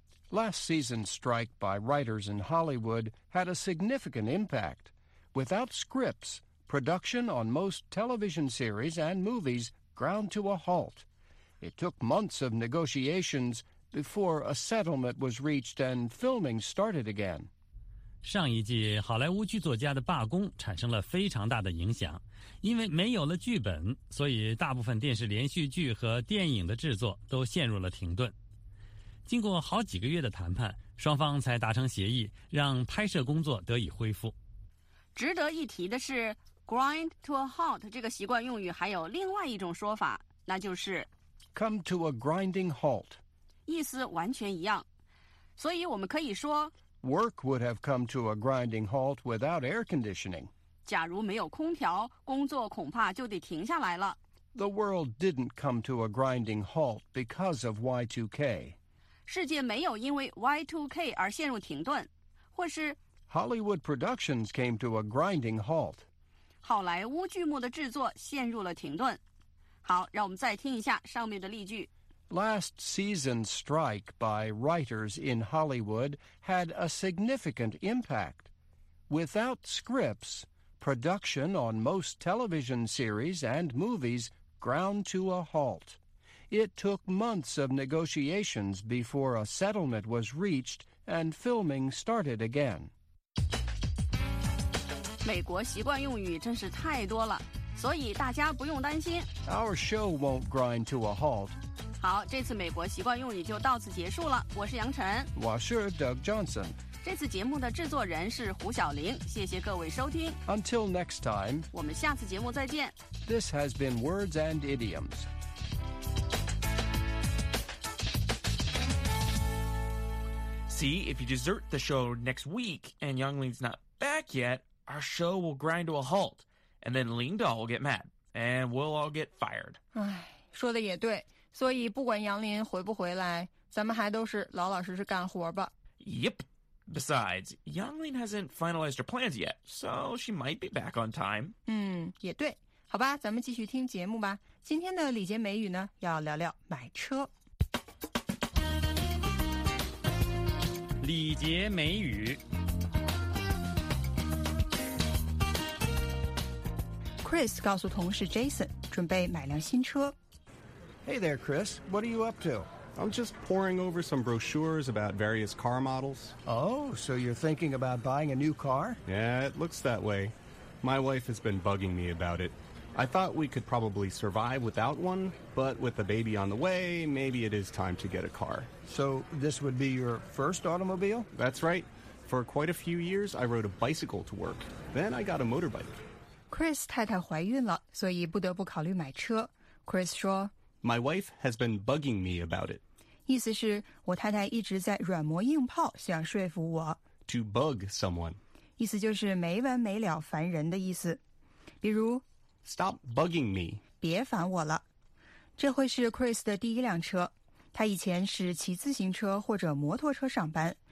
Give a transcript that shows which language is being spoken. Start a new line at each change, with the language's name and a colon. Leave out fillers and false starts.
English: Last season's strike by writers in Hollywood had a significant impact. Without scripts, production on most television series and movies ground to a halt. It took months of negotiations before a settlement was reached and filming started again.
Chinese: 上一季好莱坞剧作家的罢工产生了非常大的影响，因为没有了剧本，所以大部分电视连续剧和电影的制作都陷入了停顿。经过好几个月的谈判，双方才达成协议，让拍摄工作得以恢复。值得一提的是
English: grind to a halt
Chinese: 这个习惯用语还有另外一种说法，那就是
English: come to a grinding halt，
Chinese: 意思完全一样，所以我们可以说
English: Work would have come to a grinding halt without air conditioning.
Chinese: 假如没有空调，工作恐怕就得停下来了。
English: The world didn't come to a grinding halt because of Y2K.
Chinese: 世界没有因为 Y2K 而陷入停顿，或是
English: Hollywood productions came to a grinding halt.
Chinese: 好莱坞剧目的制作陷入了停顿。好，让我们再听一下上面的例句。
English: Last season's strike by writers in Hollywood had a significant impact. Without scripts, production on most television series and movies ground to a halt. It took months of negotiations before a settlement was reached and filming started again.
Chinese: 美国习惯用语真是太多了，所以大家不用担心。
English: Our show won't grind to a halt.
Chinese: 好，这次美国习惯用语就到此结束了。我是杨晨，我是 Doug Johnson。这次节目的制作人是胡晓玲，谢谢各位收听。
English: Until next time，
Chinese: 我们下次节目再见。
English: This has been Words and Idioms。 See if you desert the show next week and Youngling's not back yet, our show will grind to a halt, and then Ling Dao will get mad, and we'll all get fired。
Chinese: 唉，说的也对。所以不管杨林回不回来，咱们还都是老老实实干活吧。
English: Yep. Besides, Yang Lin hasn't finalized her plans yet, so she might be back on time.
Chinese: 嗯，也对。好吧，咱们继续听节目吧。今天的礼节美语呢，要聊聊买车。礼节美语。 Chris 告诉同事 Jason， 准备买辆新车。
English: Hey there, Chris. What are you up to? I'm just poring over some brochures about various car models. Oh, so you're thinking about buying a new car? Yeah, it looks that way. My wife has been bugging me about it. I thought we could probably survive without one, but with a baby on the way, maybe it is time to get a car. So this would be your first automobile? That's right. For quite a few years, I rode a bicycle to work. Then I got a motorbike.
Chinese: Chris 太太怀孕了，所以不得不考虑买车。 Chris 说
English: My wife has been bugging me about it.
Chinese: 意思是我太太一直在软磨硬泡想说服我。
English: To bug someone.
Chinese: 意思就是没完没了烦人的意思。比如
English: Stop bugging me.
Chinese: 别烦我了。这会是 Chris 的第一辆车。他以前是骑自行车或者摩托车上班。